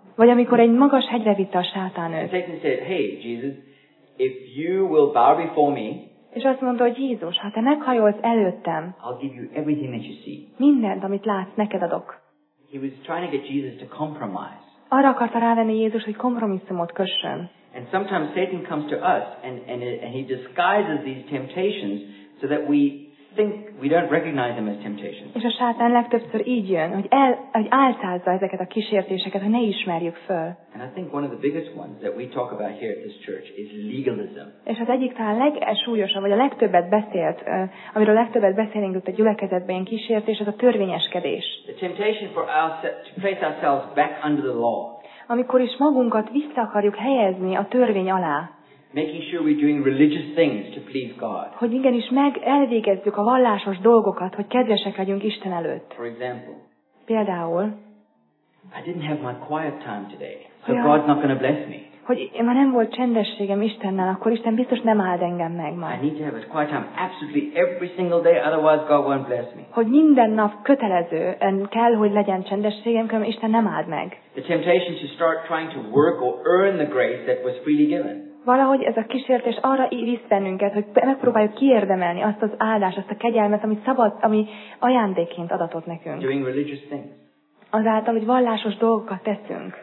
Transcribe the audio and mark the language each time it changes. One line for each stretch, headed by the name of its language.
Hungarian: Vagy amikor egy magas hegyre vitte a sátán őt.
English: Satan said, hey Jesus, if you will bow before me.
Hungarian: És azt mondta, hogy Jézus, ha te meghajolsz előttem,
English: I'll give you everything that you see.
Hungarian: Mindent, amit látsz, neked adok.
English: He was trying to get Jesus to compromise.
Hungarian: Arra akarta rávenni Jézus, hogy kompromisszumot kössön.
English: And sometimes Satan comes to us and he disguises these temptations so that we think we don't recognize them as temptations.
Hungarian: És a sátán legtöbbször így jön, hogy álcázza ezeket a kísértéseket, hogy ne ismerjük föl.
English: And I think one of the biggest ones that we talk about here at this church is legalism.
Hungarian: És az egyik talán legsúlyosabb, vagy a legtöbbet beszélt, amiről legtöbbet beszélünk itt a gyülekezetben, kísértés, az a törvényeskedés.
English: The temptation for us to place ourselves back under the law.
Hungarian: Amikor is magunkat vissza akarjuk helyezni a törvény alá.
English: Making sure we're doing religious things to please God.
Hungarian: Hogy igenis elvégezzük a vallásos dolgokat, hogy kedvesek legyünk Isten előtt.
English: For example.
Hungarian: Például.
English: I didn't have my quiet time today, so God's not going to bless me.
Hungarian: Hogy én már nem volt csendességem Istennel, akkor Isten biztos nem áld engem meg majd.
English: I need to have a quiet time absolutely every single day, otherwise God won't bless me.
Hungarian: Hogy minden nap kötelező, kell, hogy legyen csendességem, különben Isten nem áld meg.
English: The temptation to start trying to work or earn the grace that was freely given.
Hungarian: Valahogy ez a kísértés arra visz bennünket, hogy megpróbáljuk kiérdemelni azt az áldást, azt a kegyelmet, ami ajándékként adatott nekünk.
English: Doing religious things.
Hungarian: Azáltal, hogy vallásos dolgokat teszünk.